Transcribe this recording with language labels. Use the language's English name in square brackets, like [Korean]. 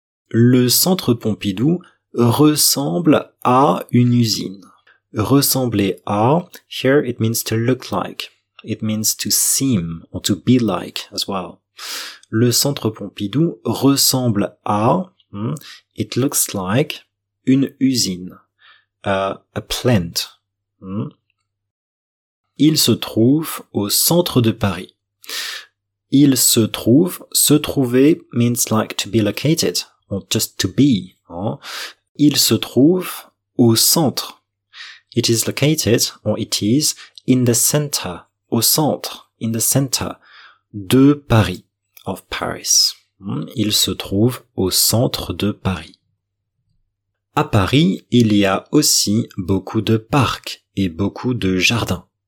[French] Le centre Pompidou ressemble à une usine. Ressembler à, [English] here it means to look like, it means to seem or to be like as well. [French] Le centre Pompidou ressemble à, [English] it looks like, [French] une usine, [English] a plant. [French] Il se trouve au centre de Paris. Il se trouve, se trouver [English] means like to be located, or just to be. [French] Il se trouve au centre. [English] It is located, or it is, in the center, [French] au centre, [English] in the center, [French] de Paris. [English] Of Paris. [French] Il se trouve au centre de Paris. À Paris, il y a aussi beaucoup de parcs et beaucoup de jardins.